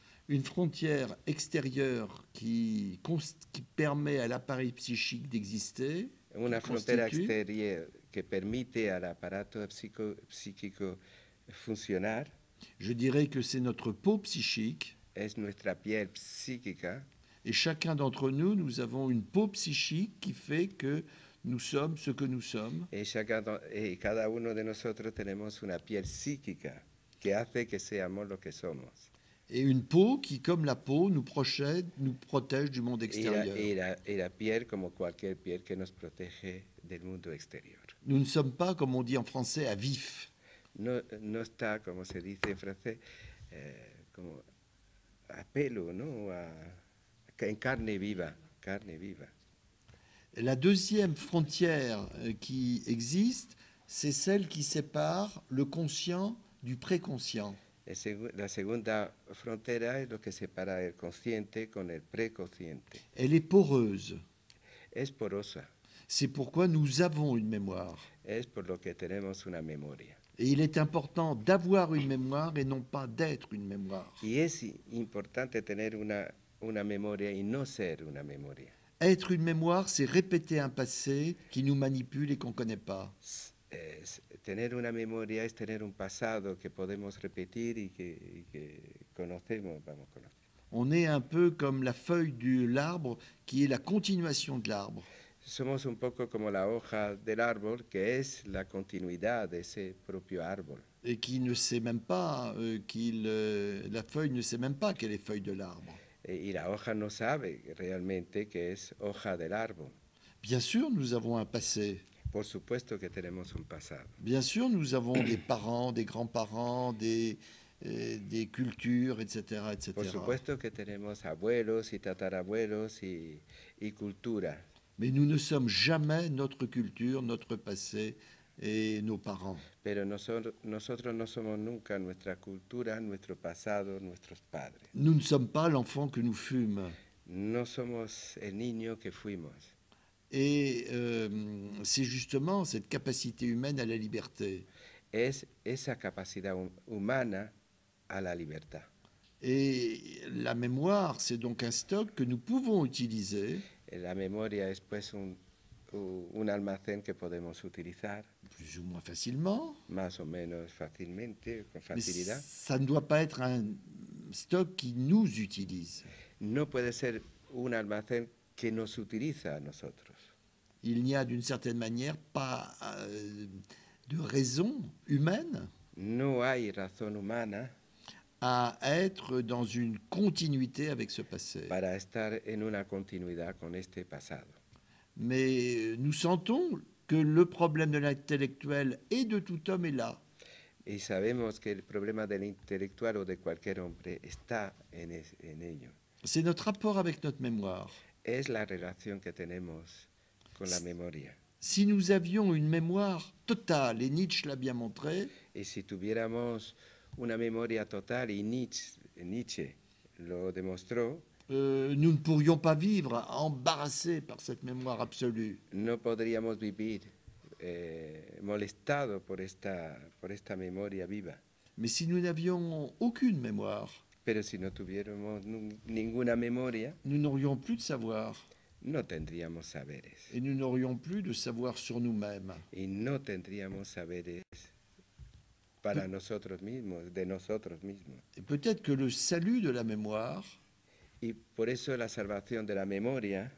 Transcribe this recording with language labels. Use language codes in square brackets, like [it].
[fr] Une frontière extérieure qui permet à l'appareil psychique d'exister. [es] Una frontera exterior que permite al aparato psíquico funcionar. [fr] Je dirais que c'est notre peau psychique. [es] Es nuestra piel psíquica. [fr] Et chacun d'entre nous, nous avons une peau psychique qui fait que nous sommes ce que nous sommes. [es] Et cada uno de nosotros tenemos una piel psíquica que hace que seamos lo que somos. [fr] Et une peau qui, comme la peau, nous protège du monde extérieur. [es] Et la piel, [fr] comme [es] cualquier piel, que nos protege del mundo exterior. [fr] Nous ne sommes pas, comme on dit en français, à vif. [es] No está, como se dice en francés, como a pelo, ¿no? En carne viva, carne viva. [fr] La deuxième frontière qui existe, c'est celle qui sépare le conscient du préconscient. [es] La segunda frontera es lo que separa el consciente con el preconsciente. [fr] Elle est poreuse. [es] Es porosa. [fr] C'est pourquoi nous avons une mémoire. [es] Es por lo que tenemos una memoria. [fr] Et il est important d'avoir une mémoire et non pas d'être une mémoire. [es] Y es importante tener una memoria y no ser una memoria. [fr] Être une mémoire, c'est répéter un passé qui nous manipule et qu'on ne connaît pas. [es] Tener una memoria es tener un pasado que podemos repetir y que conocemos, vamos a conocer. [fr] On est un peu comme la feuille de l'arbre qui est la continuation de l'arbre. [es] Somos un poco como la hoja del árbol que es la continuidad de ese propio árbol. [fr] Et qui ne sait même pas la feuille ne sait même pas qu'elle est feuille de l'arbre. [es] Y la hoja no sabe realmente que es hoja del árbol. [fr] Bien sûr, nous avons un passé. [es] Por supuesto que tenemos un pasado. [fr] Bien sûr, nous avons des parents, des grands-parents, des cultures, etc., etc. [es] Por supuesto que tenemos abuelos y tatarabuelos y cultura. [fr] Mais nous ne sommes jamais notre culture, notre passé et nos parents. [es] Pero nosotros no somos nunca nuestra cultura, nuestro pasado, nuestros padres. [fr] Nous ne sommes pas l'enfant que nous fûmes. [es] No somos el niño que fuimos. [fr] Et c'est justement cette capacité humaine à la liberté. [es] Es esa capacidad humana a la libertad. [fr] Et la mémoire, c'est donc un stock que nous pouvons utiliser. [es] La memoria es pues un almacén que podemos utilizar. [fr] Plus ou moins facilement. [es] Más o menos fácilmente, con facilidad. [fr] Ça ne doit pas être un stock qui nous utilise. [es] No puede ser un almacén que nos utiliza a nosotros. [fr] Il n'y a d'une certaine manière pas de raison humaine. [es] No hay razón humana. [fr] À être dans une continuité avec ce passé. [es] Para estar en una continuidad con este pasado. [fr] Mais nous sentons que le problème de l'intellectuel et de tout homme est là. [es] Y sabemos que el problema del intelectual o de cualquier hombre está en ello. [fr] C'est notre rapport avec notre mémoire. [es] Es la relación que tenemos. La memoria. [fr] Si nous avions une mémoire totale, et Nietzsche l'a bien montré, [es] et si tuviéramos una memoria total, y Nietzsche lo demostró, [fr] nous ne pourrions pas vivre embarrassés par cette mémoire absolue. [es] No podríamos vivir molestado por esta memoria viva. [fr] Mais si nous n'avions aucune mémoire, [es] pero si no tuviéramos ninguna memoria, [fr] nous n'aurions plus de savoir. [es] No tendríamos saberes. [fr] Et nous n'aurions plus de savoir sur nous-mêmes. [es] Y no tendríamos saberes para nosotros mismos, de nosotros mismos. [fr] Et peut-être que le salut de la mémoire. [es] Y por eso la salvación de la memoria.